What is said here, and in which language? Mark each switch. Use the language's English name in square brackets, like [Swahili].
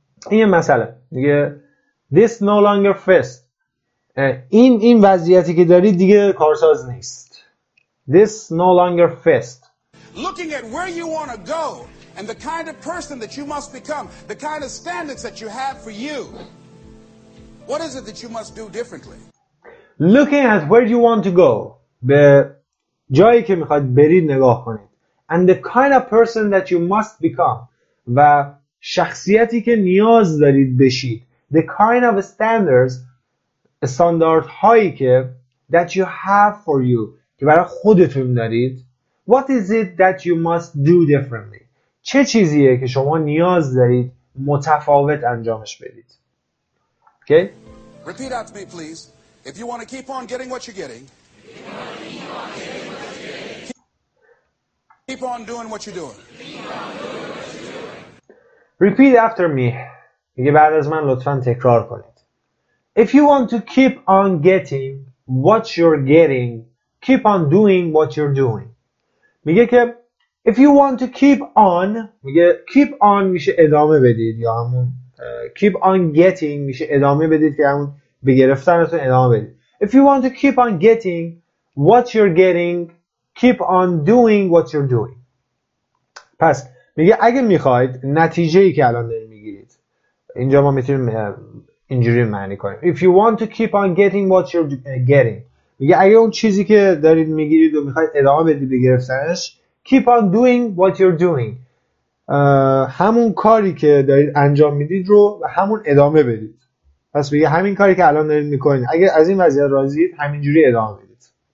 [Persian] این مسئله دیگه، [English] this no longer fits، [Persian] این وضعیتی که دارید دیگه کارساز نیست. [English] This no longer fits. Looking at where you want to go and the kind of person that you must become, the kind of standards that you have for you, what is it that you must do differently? Looking at where you want to go، [Persian] به جایی که میخواد برید نگاه کنید، [English] and the kind of person that you must become، [Persian] و شخصیتی که نیاز دارید بشید، [English] the kind of standards، [Persian] استانداردهایی که [English] that you have for you، [Persian] که برای خودتون دارید، [English] what is it that you must do differently، [Persian] چه چیزیه که شما نیاز دارید متفاوت انجامش بدید. [English] Okay، repeat after me please. If you want to keep on getting what you're getting، keep on doing what you're doing. Repeat after me. [Persian] میگه بعد از من لطفا تکرار کنید. [English] If you want to keep on getting what you're getting, keep on doing what you're doing. [Persian] میگه که [English] if you want to keep on, [Persian] میگه keep on میشه ادامه بدید یا همون [English] keep on getting [Persian] میشه ادامه بدید که همون به گرفتنتون ادامه بدید. [English] If you want to keep on getting what you're getting, keep on doing what you're doing. [Persian] پس میگه اگه میخواید نتیجه‌ای که الان دارید میگیرید. اینجا ما میتونیم اینجوری معنی کنیم. [English] If you want to keep on getting what you're getting. [Persian] میگه اگه اون چیزی که دارید میگیرید و میخواید ادامه بدید به گرفتنش، [English] keep on doing what you're doing. [Persian] همون کاری که دارید انجام میدید رو همون ادامه بدید. پس میگه همین کاری که الان دارید میکنید، اگه از این وضعیت راضیید همینجوری ادامه بدید.